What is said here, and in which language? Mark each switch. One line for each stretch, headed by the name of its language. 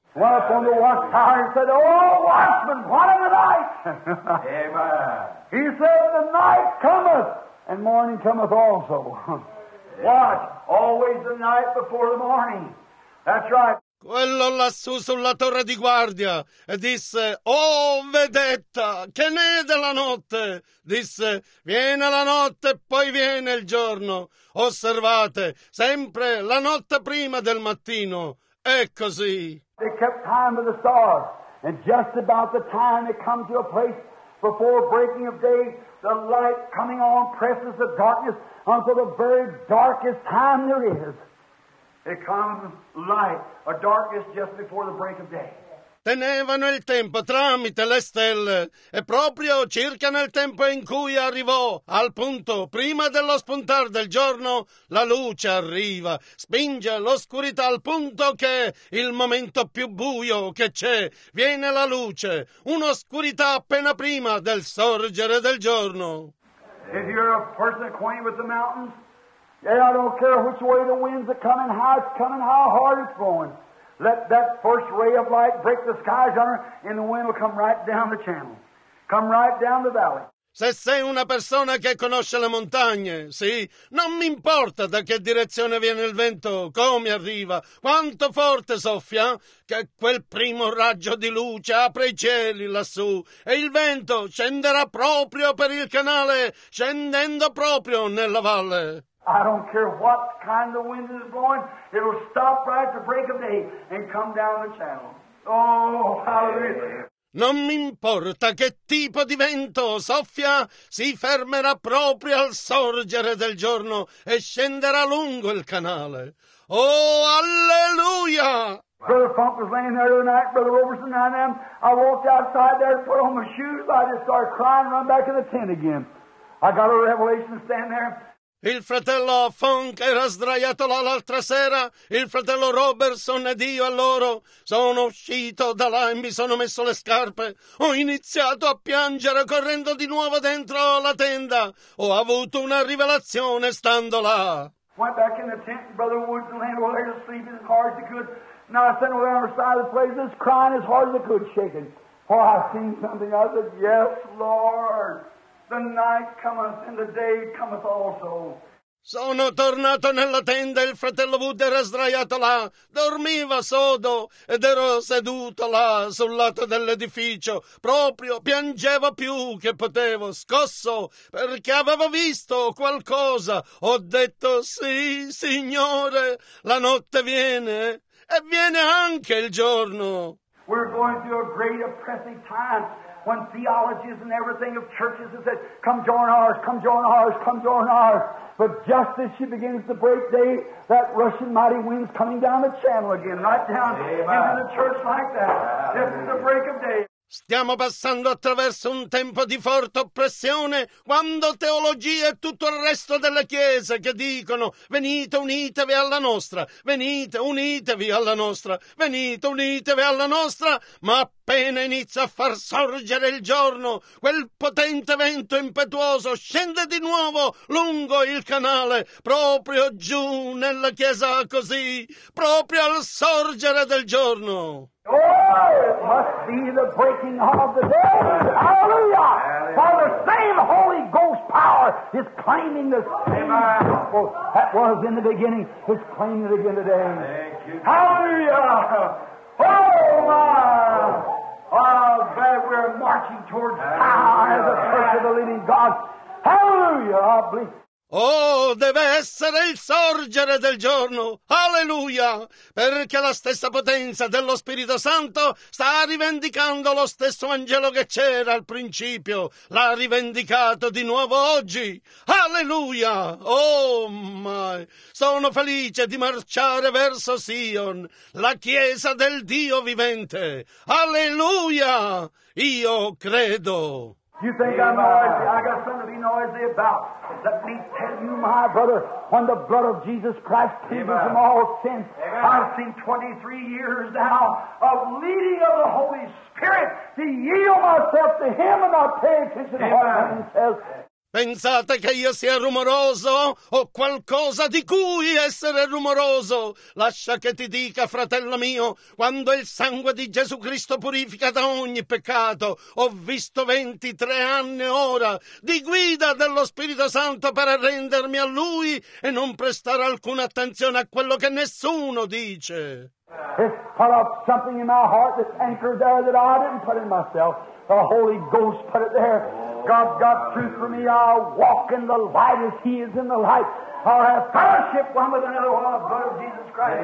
English: Well, up on the watchtower and said, "Oh, watchman, what a night!" Amen. He said, "The night cometh, and morning cometh also." Watch, always the night before the morning. That's right.
Italian: Quello lassù sulla torre di guardia, e disse, oh vedetta, che ne è della notte? Disse, viene la notte e poi viene il giorno. Osservate, sempre la notte prima del mattino. È così.
English: They kept time with the stars, and just about the time they come to a place before breaking of day, the light coming on presses the darkness until the very darkest time there is. It comes light or darkness just before the break of day.
Italian: Tenevano il tempo tramite le stelle, e proprio circa nel tempo in cui arrivò al punto prima dello spuntar del giorno, la luce arriva, spinge l'oscurità al punto che il momento più buio che c'è viene la luce, un'oscurità appena prima del sorgere del giorno.
English: If you're a person acquainted with the mountains, yeah, I don't care which way the winds are coming, how it's coming, how hard it's blowing. Let that first ray of light break the skies under, and the wind will come right down the channel. Come right down the valley.
Italian: Se sei una persona che conosce le montagne, sì, non mi importa da che direzione viene il vento, come arriva, quanto forte soffia, che quel primo raggio di luce apre i cieli lassù, e il vento scenderà proprio per il canale, scendendo proprio nella valle.
English: I don't care what kind of wind is blowing, it'll stop right at the break of day and come down the channel. Oh, hallelujah.
Italian: Non mi importa che tipo di vento soffia, si fermerà proprio al sorgere del giorno e scenderà lungo il canale. Oh, alleluia!
English: Brother Funk was laying there the other night, Brother Roberson and I, I walked outside there, put on my shoes, I just started crying, run back in the tent again. I got a revelation to stand there.
Italian: Il fratello Funk era sdraiato là l'altra sera, il fratello Robertson ed io a loro. Sono uscito da là e mi sono messo le scarpe. Ho iniziato a piangere correndo di nuovo dentro la tenda. Ho avuto una rivelazione stando là.
English: Went back in the tent, Brother Woods and Land were sleeping as hard as they could. Now I sat over there on the side of the place, just crying as hard as they could, shaking. Oh, I seen something. I said, yes, Lord. The night cometh and the day cometh also.
Italian: Sono tornato nella tenda e il fratello Wood era sdraiato là. Dormiva sodo ed ero seduto là sul lato dell'edificio. Proprio piangevo più che potevo, scosso, perché avevo visto qualcosa. Ho detto, sì, Signore, la notte viene e viene anche il giorno.
English: We're going through a great oppressive time. When theologies and everything of churches have said, come join ours, come join ours, come join ours. But just as she begins to break day, that rushing mighty wind's coming down the channel again, right down into the church like that. This is the break of day.
Italian: Stiamo passando attraverso un tempo di forte oppressione, quando teologia e tutto il resto della Chiesa che dicono venite unitevi alla nostra, venite unitevi alla nostra, venite unitevi alla nostra, ma appena inizia a far sorgere il giorno, quel potente vento impetuoso scende di nuovo lungo il canale, proprio giù nella Chiesa così, proprio al sorgere del giorno.
English: Oh, it must be the breaking of the day. Hallelujah. For the same Holy Ghost power is claiming the same gospel that was in the beginning. It's claiming it again today. Hallelujah. Oh, my. Oh, God, we're marching towards power as a church of the living God. Hallelujah.
Italian: Oh, deve essere il sorgere del giorno. Alleluia! Perché la stessa potenza dello Spirito Santo sta rivendicando lo stesso angelo che c'era al principio. L'ha rivendicato di nuovo oggi. Alleluia!
English: Oh, my!
Italian: Sono felice di marciare verso Sion, la chiesa del Dio vivente. Alleluia! Io credo.
English: You think I'm noisy? I got something to be noisy about. Let me tell you, my brother, when the blood of Jesus Christ cleanses from all sin, I've seen 23 years now of leading of the Holy Spirit to yield myself to Him and not pay attention to what heaven says.
Italian: Pensate che io sia rumoroso? Ho qualcosa di cui essere rumoroso? Lascia che ti dica, fratello mio, quando il sangue di Gesù Cristo purifica da ogni peccato, ho visto 23 anni ora di guida dello Spirito Santo per arrendermi a Lui e non prestare alcuna attenzione a quello che nessuno dice.
English: It's put up something in my heart that's anchored there that I didn't put in myself. The Holy Ghost put it there. God's got truth for me. I'll walk in the light as He is in the light. I'll have fellowship one with another, one of the blood of Jesus Christ.